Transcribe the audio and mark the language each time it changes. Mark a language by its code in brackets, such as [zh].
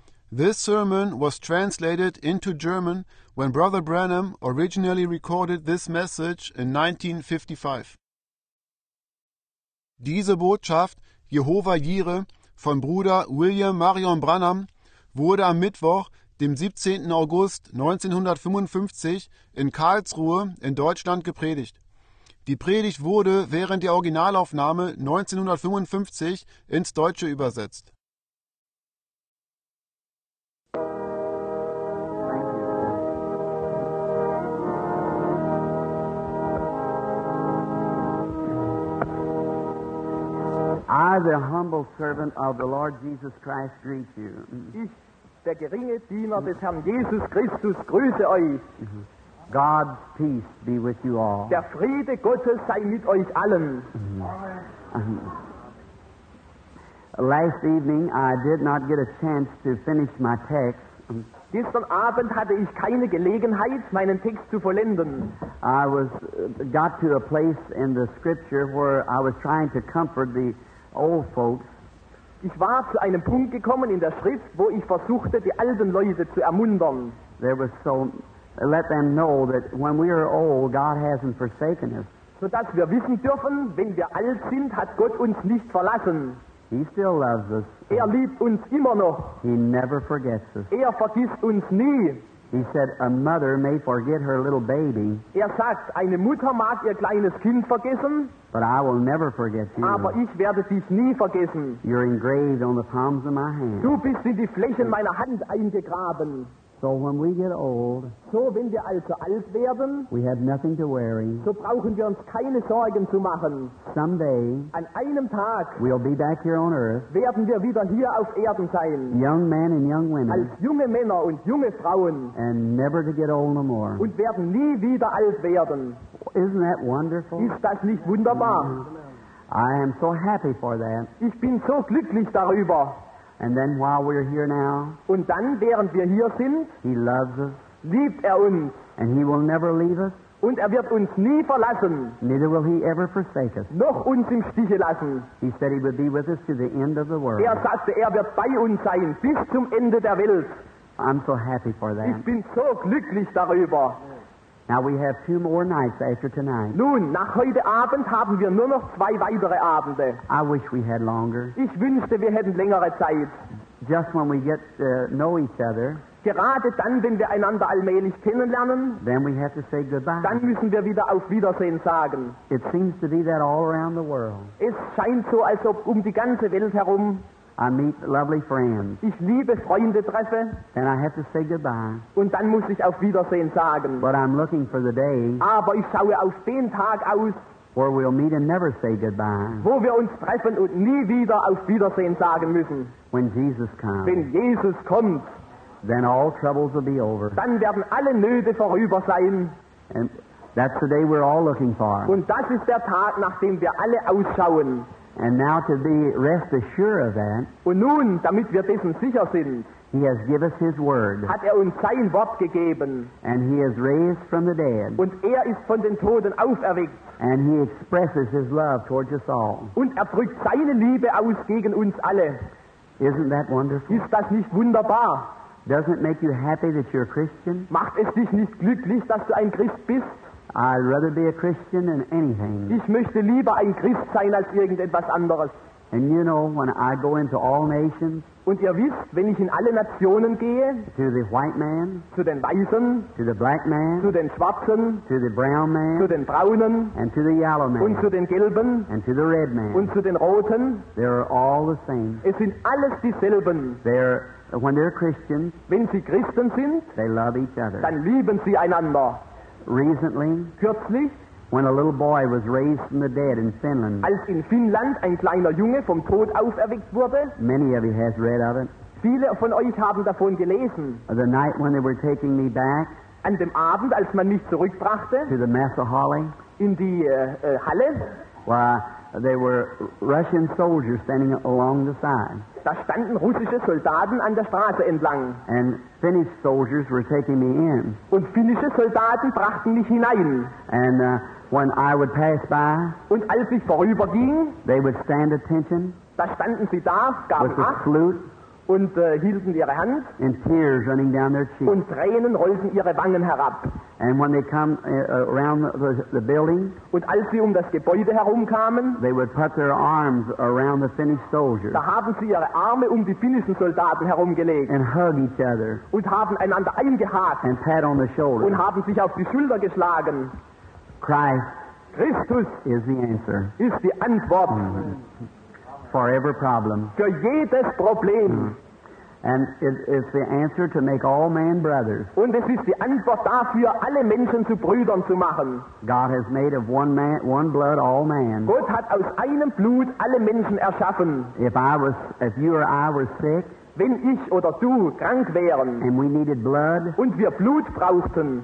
[en] This sermon was translated into German when Brother Branham originally recorded this message in 1955. [de] Diese Botschaft, Jehovah-Jireh, von Bruder William Marion Branham, wurde am Mittwoch, dem 17. August 1955 in Karlsruhe in Deutschland gepredigt. Die Predigt wurde während der Originalaufnahme 1955 ins Deutsche übersetzt. [en] I, the humble servant of the Lord Jesus Christ, greet you. [de] Der geringe Diener des Herrn Jesus Christus grüße euch. [en] God's peace be with you all. [de] Der Friede Gottes sei mit euch allen. [en] Last evening I did not get a chance to finish my text. [de] Gestern Abend hatte ich keine Gelegenheit, meinen Text zu vollenden. [en] I was got to a place in the scripture where I was trying to comfort the old folks. [de] Ich war zu einem Punkt gekommen in der Schrift, wo ich versuchte, die alten Leute zu ermuntern. [en] There was so, let them know that when we are old, God hasn't forsaken us. [de] So dass wir wissen dürfen, wenn wir alt sind, hat Gott uns nicht verlassen. [en] He still loves us. [de] Er liebt uns immer noch. [en] He never forgets us. [de] Er vergisst uns nie. [en] He said, a mother may forget her little baby. [de] Er sagt, eine Mutter mag ihr kleines Kind vergessen. [en] But I will never forget you. [de] Aber ich werde dich nie vergessen. [en] You're engraved on the palms of my hand. [de] Du bist in die Flächen meiner Hand eingegraben. [en] So when we get old, [de] so wenn wir also alt werden, [en] we have nothing to worry. [de] So brauchen wir uns keine Sorgen zu machen. [en] Someday, [de] an einem Tag, [en] we'll be back here on earth. [de] Werden wir wieder hier auf Erden sein. [en] Young men and young women, [de] als junge Männer und junge Frauen, [en] and never to get old no more. [de] Und werden nie wieder alt werden. [en] Isn't that wonderful? [de] Ist das nicht wunderbar? Mm-hmm. [en] I am so happy for that. [de] Ich bin so glücklich darüber. [en] And then while we're here now, [de] und dann, während wir hier sind, [en] he loves us, [de] liebt er uns, [en] and he will never leave us, [de] und er wird uns nie verlassen, [en] neither will he ever forsake us, [de] noch uns im Stiche lassen. [en] He said he would be with us to the end of the world. [de] Er sagte, er wird bei uns sein, bis zum Ende der Welt. [en] I'm so happy for that. [de] Ich bin so glücklich darüber. [en] Now we have two more nights after tonight. [de] Nun, nach heute Abend haben wir nur noch zwei weitere Abende. [en] I wish we had longer. [de] Ich wünschte, wir hätten längere Zeit. [en] Just when we get to know each other. [de] Gerade dann, wenn wir einander allmählich kennenlernen. [en] Then we have to say goodbye. [de] Dann müssen wir wieder auf Wiedersehen sagen. [en] It seems to be that all around the world. [de] Es scheint so, als ob um die ganze Welt herum. [en] I meet lovely friends. [de] Ich liebe Freunde treffe. [en] And I have to say goodbye. [de] Und dann muss ich auf Wiedersehen sagen. [en] But I'm looking for the day. [de] Aber ich schaue auf den Tag aus. [en] Where we'll meet and never say goodbye. [de] Wo wir uns treffen und nie wieder auf Wiedersehen sagen müssen. [en] When Jesus comes. [de] Wenn Jesus kommt. [en] Then all troubles will be over. [de] Dann werden alle Nöte vorüber sein. [en] And that's the day we're all looking for. [de] Und das ist der Tag, nach dem wir alle ausschauen. [en] And now to be rest assured of that. [de] Und nun, damit wir dessen sicher sind. [en] He has given us his word. [de] Hat er uns sein Wort gegeben. [en] And he has raised from the dead. [de] Und er ist von den Toten auferweckt. [en] And he expresses his love towards us all. [de] Und er drückt seine Liebe aus gegen uns alle. [en] Isn't that wonderful? [de] Ist das nicht wunderbar? [en] Doesn't it make you happy that you're a Christian? [de] Macht es dich nicht glücklich, dass du ein Christ bist? [en] I'd rather be a Christian than anything. [de] Ich möchte lieber ein Christ sein als irgendetwas anderes. [en] And you know, when I go into all nations, [de] und ihr wisst, wenn ich in alle Nationen gehe, [en] to the white man, [de] zu den Weißen, [en] to the black man, [de] zu den Schwarzen, [en] to the brown man, [de] zu den Braunen, [en] and to the yellow man, [de] und zu den Gelben, [en] and to the red man, [de] und zu den Roten, [en] they are all the same. [de] Es sind alles dieselben. [en] When they're Christians, [de] wenn sie Christen sind, [en] they love each other. [de] Dann lieben sie einander. [en] Recently, [de] kürzlich, [en] when a little boy was raised from the dead in Finland, [de] als in Finnland ein kleiner Junge vom Tod auferweckt wurde, [en] many of you have read of it. [de] Viele von euch haben davon gelesen. [en] The night when they were taking me back, [de] an dem Abend, als man mich zurückbrachte, [en] to the Master Hall, [de] in die Halle, [en] Why, there were Russian soldiers standing along the side. [de] Da standen russische Soldaten an der Straße entlang. [en] And Finnish soldiers were taking me in. [de] Und finnische Soldaten brachten mich hinein. [en] And when I would pass by, [de] und als ich vorüberging, [en] they would stand attention. [de] Da standen sie da, gaben [en] with a flute. [de] Und hielten ihre Hand. [en] And tears running down their cheeks. [de] Und Tränen rollten ihre Wangen herab. [en] And when they come around the building, [de] und als sie das Gebäude herumkamen, [en] they would put their arms around the Finnish soldiers. [de] Da haben sie ihre Arme die finnischen Soldaten herumgelegt. [en] And hug each other. [de] Und haben einander eingehakt. [en] And pat on the shoulder. [de] Und haben sich auf die Schulter geschlagen. [en] Christus is the answer. [de] Ist die Antwort. [en] Mm-hmm. For every problem. [de] Für jedes Problem. Mm. [en] And it's the answer to make all men brothers. [de] Und es ist die Antwort dafür, alle Menschen zu Brüdern zu machen. [en] God has made of one man, one blood, all man. [de] Gott hat aus einem Blut alle Menschen erschaffen. [en] If you or I were sick, [de] wenn ich oder du krank wären, [en] and we needed blood, [de] und wir Blut brauchten,